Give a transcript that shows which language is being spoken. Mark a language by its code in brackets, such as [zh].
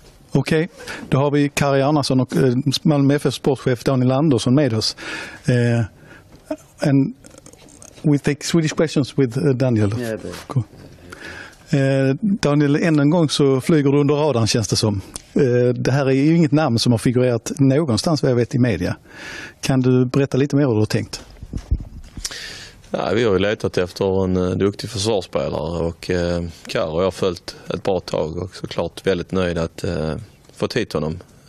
[sv] Okej, okay. Då har vi Kari Arnason och Malmö FF sportchef Daniel Andersson med oss. [en] And we take Swedish questions with Daniel. Yeah, cool. [sv] Daniel, än en gång så flyger du under radarn, känns det som. Det här är ju inget namn som har figurerat någonstans vad jag vet i media. Kan du berätta lite mer hur du har tänkt? Ja, vi har ju letat efter en duktig försvarsspelare och Karl och jag har följt ett bra tag och såklart väldigt nöjd att få hit honom.